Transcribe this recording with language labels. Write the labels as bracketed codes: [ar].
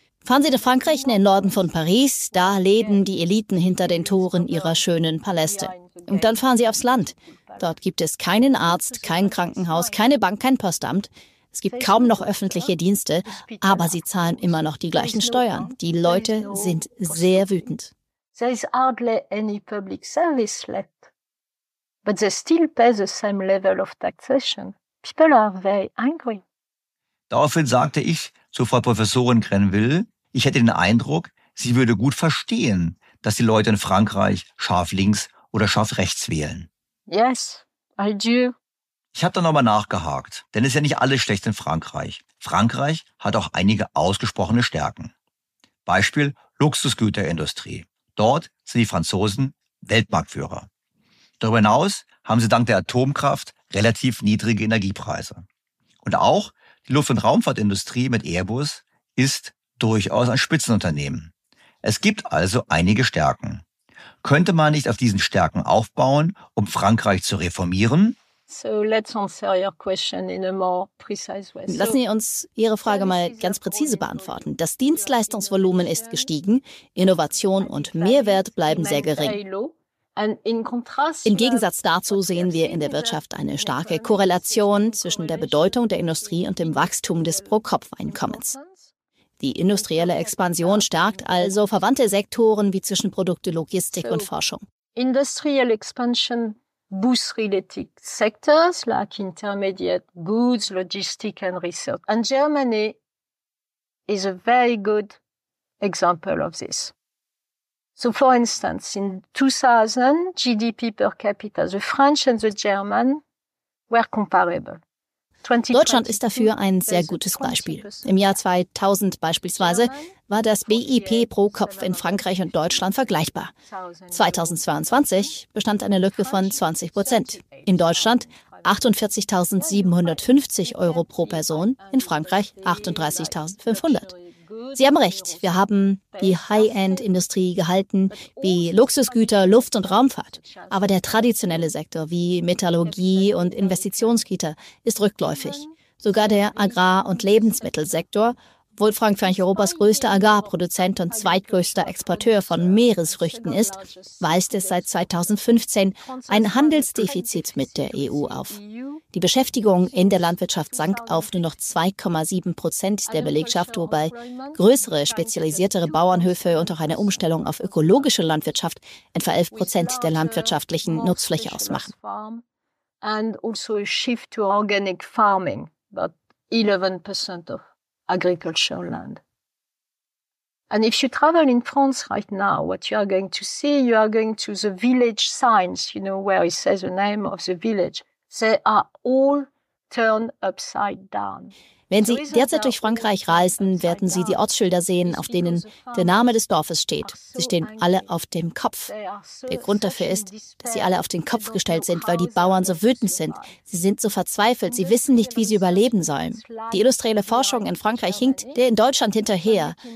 [de] Fahren Sie nach Frankreich, in den Norden von Paris, da leben die Eliten hinter den Toren ihrer schönen Paläste. Und dann fahren Sie aufs Land. Dort gibt es keinen Arzt, kein Krankenhaus, keine Bank, kein Postamt. Es gibt kaum noch öffentliche Dienste, aber sie zahlen immer noch die gleichen Steuern. Die Leute sind sehr wütend. [en] There is hardly any public service left, but they still pay the same level of taxation. People are very angry. [de] Daraufhin sagte ich zu Frau Professorin Grenville, ich hätte den Eindruck, sie würde gut verstehen, dass die Leute in Frankreich scharf links oder scharf rechts wählen. [en] Yes, I do. [de] Ich habe da nochmal nachgehakt, denn es ist ja nicht alles schlecht in Frankreich. Frankreich hat auch einige ausgesprochene Stärken. Beispiel Luxusgüterindustrie. Dort sind die Franzosen Weltmarktführer. Darüber hinaus haben sie dank der Atomkraft relativ niedrige Energiepreise. Und auch die Luft- und Raumfahrtindustrie mit Airbus ist durchaus ein Spitzenunternehmen. Es gibt also einige Stärken. Könnte man nicht auf diesen Stärken aufbauen, um Frankreich zu reformieren? [en] So let's answer your question in a more precise way. [de] Lassen Sie uns Ihre Frage mal ganz präzise beantworten. Das Dienstleistungsvolumen ist gestiegen, Innovation und Mehrwert bleiben sehr gering. Im Gegensatz dazu sehen wir in der Wirtschaft eine starke Korrelation zwischen der Bedeutung der Industrie und dem Wachstum des Pro-Kopf-Einkommens. Die industrielle Expansion stärkt also verwandte Sektoren wie Zwischenprodukte, Logistik und Forschung. [en] Industrial expansion goods-related sectors like intermediate goods, logistics and research. And Germany is a very good example of this. So, for instance, in 2000, GDP per capita, the French and the German were comparable. [de] Deutschland ist dafür ein sehr gutes Beispiel. Im Jahr 2000 beispielsweise war das BIP pro Kopf in Frankreich und Deutschland vergleichbar. 2022 bestand eine Lücke von 20%. In Deutschland 48.750 Euro pro Person, in Frankreich 38.500. Sie haben recht, wir haben die High-End-Industrie gehalten, wie Luxusgüter, Luft- und Raumfahrt. Aber der traditionelle Sektor, wie Metallurgie und Investitionsgüter, ist rückläufig. Sogar der Agrar- und Lebensmittelsektor, obwohl Frankreich Europas größter Agrarproduzent und zweitgrößter Exporteur von Meeresfrüchten ist, weist es seit 2015 ein Handelsdefizit mit der EU auf. Die Beschäftigung in der Landwirtschaft sank auf nur noch 2,7% der Belegschaft, wobei größere, spezialisiertere Bauernhöfe und auch eine Umstellung auf ökologische Landwirtschaft etwa 11% der landwirtschaftlichen Nutzfläche ausmachen. [en] And also a shift to organic farming, about 11% of agricultural land. And if you travel in France right now, what you are going to the village signs, you know, where it says the name of the village. They are all turned upside down. [de] Wenn Sie derzeit durch Frankreich reisen, werden Sie die Ortsschilder sehen, auf denen der Name des Dorfes steht. Sie stehen alle auf dem Kopf. Der Grund dafür ist, dass sie alle auf den Kopf gestellt sind, weil die Bauern so wütend sind. Sie sind so verzweifelt, sie wissen nicht, wie sie überleben sollen. Die industrielle Forschung in Frankreich hinkt der in Deutschland hinterher.